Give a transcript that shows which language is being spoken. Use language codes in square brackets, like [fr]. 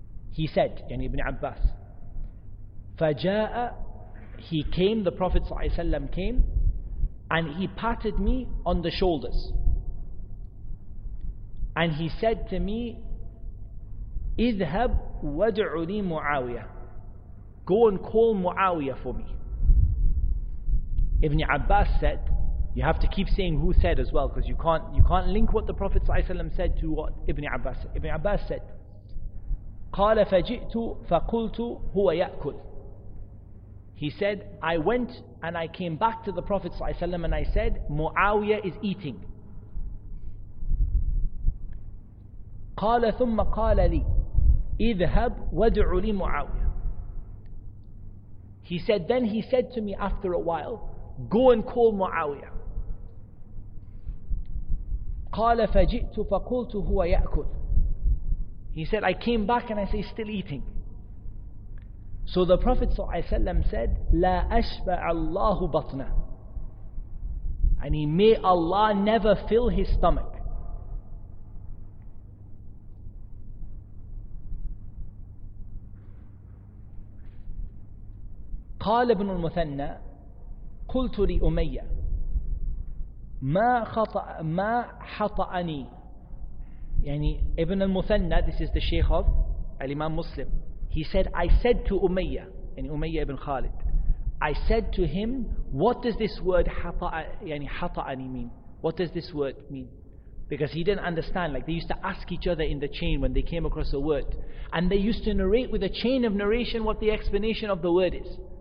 [en] He said, yani Ibn Abbas, [ar] فَجَاءَ, [en] he came, the Prophet sallallahu alayhi wa sallam came, and he patted me on the shoulders. And he said to me, [ar] اذهب وادع لي معاوية. [en] Go and call Muawiyah for me. Ibn Abbas said, you have to keep saying who said as well, because you can't link what the Prophet ﷺ said to what Ibn Abbas said. Ibn Abbas said, [ar] قال فجئت فقلت هو يأكل. [en] He said, I went and I came back to the Prophet ﷺ and I said, Muawiyah is eating. [ar] قال ثم قال لي اذهب وادع لي معاوية. [en] He said, then he said to me after a while, go and call Muawiyah. [ar] قال فجئت فقلت هو يأكل. [en] He said, I came back and I say, still eating. So the Prophet ﷺ said, [ar] لا أشبع الله بطنه. [en] And he, may Allah never fill his stomach. [ar] قال ابن المثنى قلت لأمية ما حطأني. [en] يعني ابن المثنى, this is the Sheikh of Imam Muslim, he said, I said to Umayyah, yani Umayyah ibn Khalid, I said to him, what does this word hata'ani mean? What does this word mean? Because he didn't understand. Like, they used to ask each other in the chain when they came across a word, and they used to narrate with a chain of narration what the explanation of the word is.